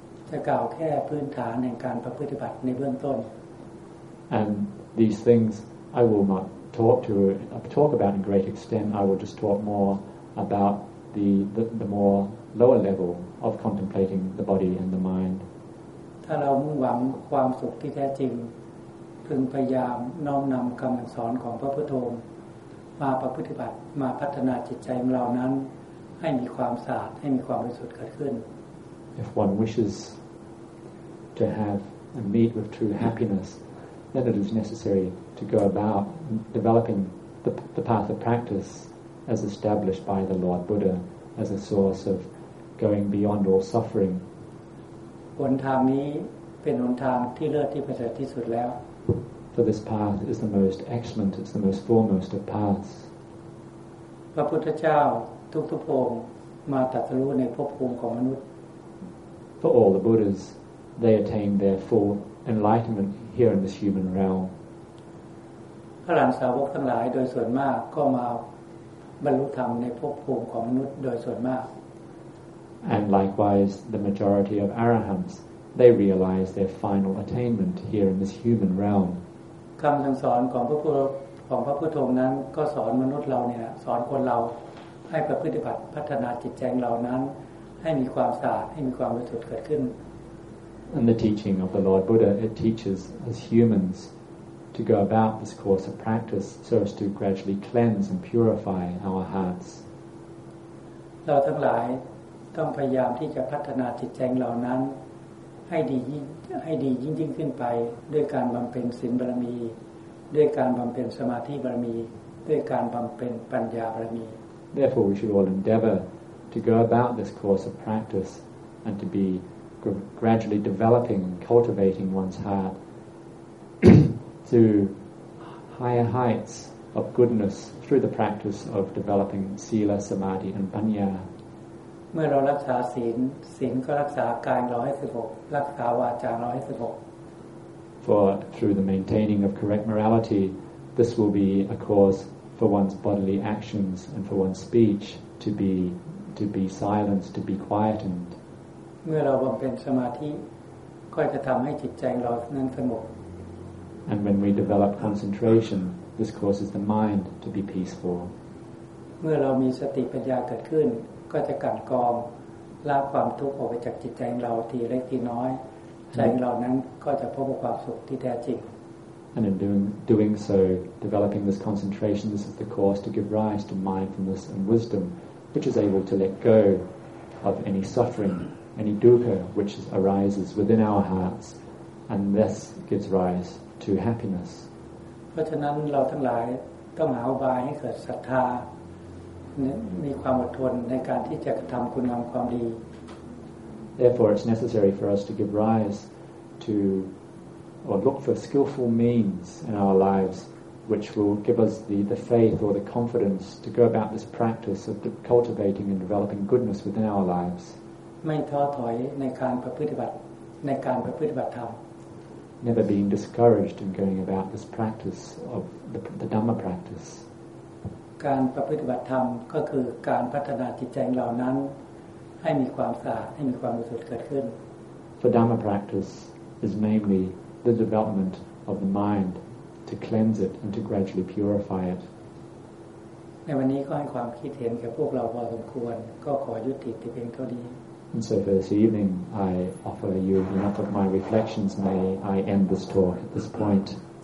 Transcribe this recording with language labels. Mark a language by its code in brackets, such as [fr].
[th] จะกล่าวแค่พื้นฐานในการประพฤติปฏิบัติในเบื้องต้น [en] And these things, I will not talk about in great extent. I will just talk more about the more lower level of contemplating the body and the mind. [th] ถ้าเรามุ่งหวังความสุขที่แท้จริงพึงพยายามน้อมนำคำสอนของพระพุทโธมาประพฤติปฏิบัติมาพัฒนาจิตใจของเรานั้นให้มีความสะอาดให้มีความบริสุทธิ์เกิดขึ้น [en] If one wishes to have and meet with true happiness then it is necessary to go about developing the path of practice as established by the Lord Buddha as a source of going beyond all suffering [th] หนทางนี้เป็นหนทางที่เลิศที่ประเสริฐที่สุดแล้ว [en] For this path is the most excellent, it's the most foremost of paths. [th] พระพุทธเจ้าทุกๆองค์มาตรัสรู้ในภพภูมิของมนุษย์ [en] For all the Buddhas, they attained their full enlightenment here in this human realm. [th] พระอรหันตสาวกทั้งหลายโดยส่วนมากก็มาบรรลุธรรมในภพภูมิของมนุษย์โดยส่วนมาก [en] And likewise, the majority of Arahants, they realized their final attainment here in this human realm. [th] คำสอนของพระพุทโธนั้นก็สอนมนุษย์เราเนี่ยสอนคนเราให้ประพฤติปฏิบัติพัฒนาจิตใจเรานั้นให้มีความสะอาดให้มีความบริสุทธิ์เกิดขึ้น [en] And the teaching of the Lord Buddha it teaches us humans to go about this course of practice so as to gradually cleanse and purify our hearts [th] เราทั้งหลายต้องพยายามที่จะพัฒนาจิตใจเรานั้นให้ดียิ่งยิ่งขึ้นไปด้วยการบำเพ็ญศีลบารมีด้วยการบำเพ็ญสมาธิบารมีด้วยการบำเพ็ญปัญญาบารมี [en] Therefore we should all endeavor to go about this course of practice and to be gradually developing and cultivating one's heart to higher heights of goodness through the practice of developing sila samadhi and panya [th] เมื่อเรารักษาศีลศีลก็รักษากายเราให้สงบรักษาวาจาเราให้สงบ [en] For through the maintaining of correct morality this will be a cause for one's bodily actions and for one's speech to be silenced to be quietened [th] เมื่อเราบำเพ็ญสมาธิก็จะทำให้จิตใจเรานั้นสงบ [en] And when we develop concentration this causes the mind to be peaceful [th] เมื่อเรามีสติปัญญาเกิดขึ้นก็จะกั้นกองละความทุกข์ออกไปจากจิตใจของเราทีเล็กทีน้อยใจของเรานั้นก็จะพบกับความสุขที่แท้จริง [en] And in doing so developing this concentration this is the course to give rise to mindfulness and wisdom which is able to let go of any suffering any dukkha which arises within our hearts, and this gives rise to happiness. [th] เพราะฉะนั้นเราทั้งหลายต้องหาอุบายให้เกิดศรัทธาและมีความอดทนในการที่จะกระทำคุณงามความดี [en] Therefore it's necessary for us to give rise to or look for skillful means in our lives which will give us the faith or the confidence to go about this practice of cultivating and developing goodness within our lives [th] ไม่ท้อถอยในการประพฤติบัติในการประพฤติบัติธรรม [en] Never being discouraged in going about this practice of the Dhamma practice [th] การประพฤติบัติธรรมก็คือการพัฒนาจิตใจเหล่านั้นให้มีความสะอาดให้มีความบริสุทธิ์เกิดขึ้น [en] For Dhamma practice is mainly the development of the mind to cleanse it and to gradually purify it [th] ในวันนี้ก็ให้ความคิดเห็นแก่พวกเราพอสมควรก็ขอยุติแต่เพียงเท่านี้ [en] And so for this evening, I offer you enough of my reflections. May I end this talk at this point.